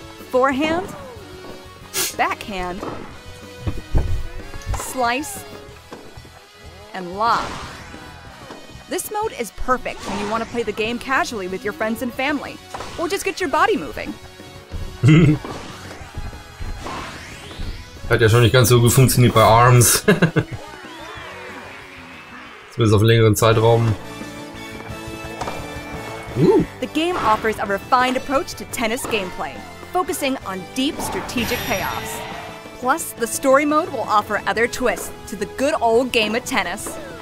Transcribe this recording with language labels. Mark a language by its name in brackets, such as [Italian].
[English] Forehand, backhand, slice, and lob. This mode is perfect when you want to play the game casually with your friends and family, or just get your body moving. [German] Hat ja schon nicht ganz so gut funktioniert bei ARMS. Zumindest auf längeren Zeitraum. [English] The game offers a refined approach to tennis gameplay, focusing on deep strategic payoffs. Plus, the story mode will offer other twists to the good old game of tennis.